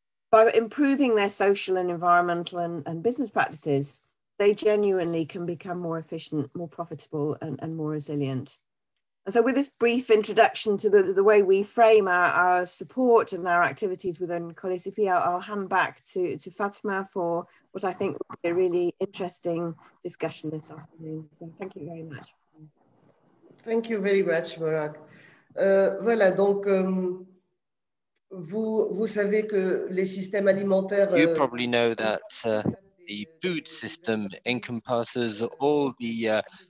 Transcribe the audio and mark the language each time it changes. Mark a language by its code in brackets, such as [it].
[en] By improving their social and environmental and business practices, they genuinely can become more efficient, more profitable, and more resilient. And so with this brief introduction to the way we frame our support and our activities within COLEACP, I'll hand back to Fatima for what I think will be a really interesting discussion this afternoon. So thank you very much. Thank you very much, Murak. [fr] Voilà, donc vous savez que les systèmes alimentaires... [en] You probably know that the food system encompasses all the...